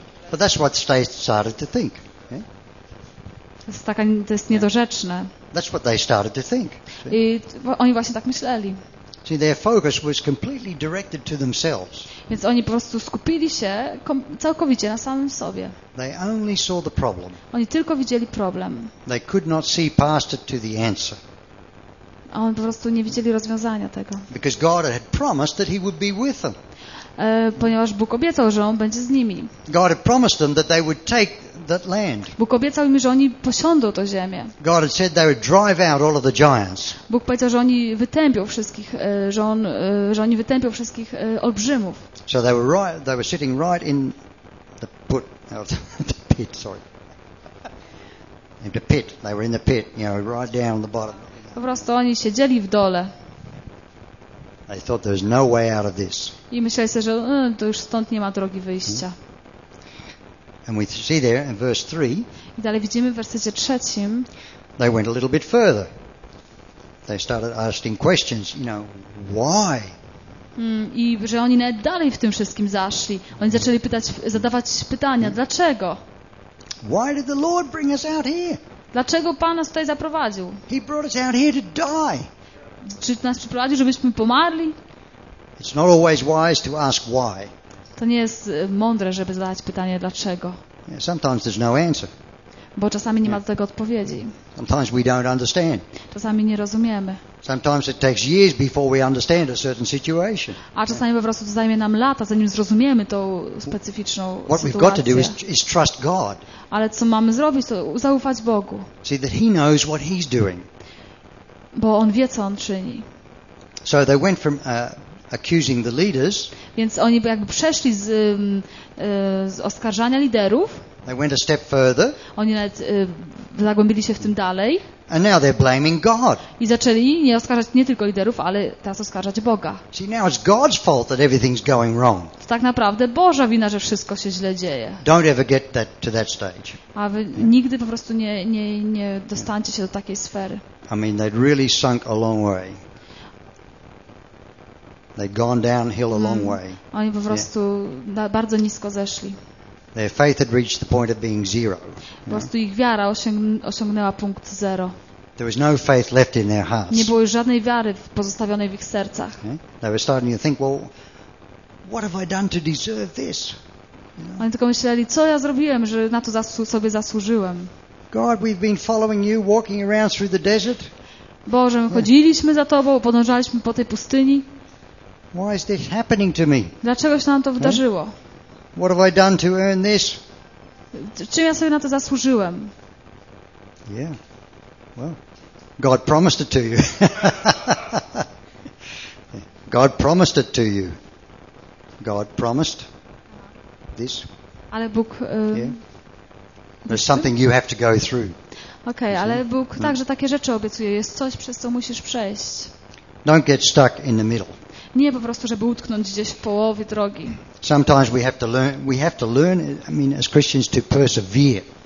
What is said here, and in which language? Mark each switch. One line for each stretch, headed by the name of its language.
English: But that's what they started to think.
Polish: To jest taka, to jest niedorzeczne.
English: That's what they started to think.
Polish: I oni właśnie tak myśleli.
English: See, their focus was completely directed to themselves.
Polish: Więc oni po prostu skupili się całkowicie na samym sobie.
English: They only saw the problem.
Polish: Oni tylko widzieli problem.
English: They could not see past it to the answer.
Polish: A oni po prostu nie widzieli rozwiązania tego.
English: Because God had promised that he would be with them.
Polish: Ponieważ Bóg obiecał, że on będzie z nimi.
English: God had promised them that they would take that land.
Polish: Bóg obiecał im, że oni posiądą tę ziemię.
English: God had said they would drive out all of the giants.
Polish: Bóg powiedział, że oni wytępią wszystkich, olbrzymów.
English: So they were right, they were sitting right in the pit. The pit, sorry. In the pit. They were in the pit, you know, right down the bottom.
Polish: Po prostu oni siedzieli w dole.
English: I thought there's no way out of this.
Polish: I myśleli sobie, że to już stąd nie ma drogi wyjścia.
English: And we see there in verse 3.
Polish: I dalej widzimy w wersecie trzecim.
English: They went a little bit further. They started asking questions, you know, why?
Polish: I że oni nawet dalej w tym wszystkim zaszli. Oni zaczęli zadawać pytania, dlaczego?
English: Why did the Lord bring us out here?
Polish: Dlaczego Pan nas tutaj zaprowadził?
English: He brought us out here to die.
Polish: Czy nas przyprowadził, żebyśmy pomarli?
English: It's not always wise to ask why.
Polish: To nie jest mądre, żeby zadać pytanie dlaczego.
English: Yeah, sometimes there's no answer.
Polish: Bo czasami nie ma do tego odpowiedzi.
English: Sometimes we don't understand.
Polish: Czasami nie rozumiemy.
English: Sometimes it takes years before we understand a certain situation.
Polish: A czasami po prostu zajmie nam lata, zanim zrozumiemy tą specyficzną
English: What
Polish: sytuację.
English: We've got to do is trust God.
Polish: Ale co mamy zrobić, to zaufać Bogu.
English: See that he knows what he's doing.
Polish: Bo on wie, co on czyni.
English: So they went from accusing the leaders.
Polish: Więc oni jakby przeszli z oskarżania liderów.
English: They went a step further.
Polish: Oni nawet zagłębili się w tym dalej.
English: And now they're blaming God.
Polish: I zaczęli nie oskarżać nie tylko liderów, ale teraz oskarżać Boga.
English: See, now it's God's fault that everything's going wrong.
Polish: To tak naprawdę Boża wina, że wszystko się źle dzieje.
English: Don't ever get that to that stage.
Polish: A wy nigdy po prostu nie dostańcie się do takiej sfery.
English: I mean, they'd really sunk a long way. They'd gone downhill a long way.
Polish: Oni po prostu bardzo nisko zeszli.
English: Their faith had reached the point of being zero.
Polish: Po prostu ich wiara osiągnęła punkt zero.
English: There was no faith left in their hearts.
Polish: Nie było już żadnej wiary pozostawionej w ich sercach.
English: They were starting to think, well, what have I done to deserve this?
Polish: Oni tylko myśleli, co ja zrobiłem, że na to sobie zasłużyłem.
English: God, we've been following you, walking around through the desert.
Polish: Boże, my chodziliśmy za Tobą, podążaliśmy po tej pustyni.
English: Why is this happening to me?
Polish: Dlaczego się nam to wydarzyło?
English: What have I done to earn this?
Polish: Czym ja sobie na to zasłużyłem?
English: Yeah. Well, God promised it to you. God promised it to you. God promised this.
Polish: Ale Bóg
English: There's something you have to go through.
Polish: Okay, ale Bóg także takie rzeczy obiecuje. Jest coś, przez co musisz przejść.
English: Don't get stuck in the middle.
Polish: Nie po prostu, żeby utknąć gdzieś w połowie drogi.
English: Sometimes we have to learn, I mean, as Christians, to persevere.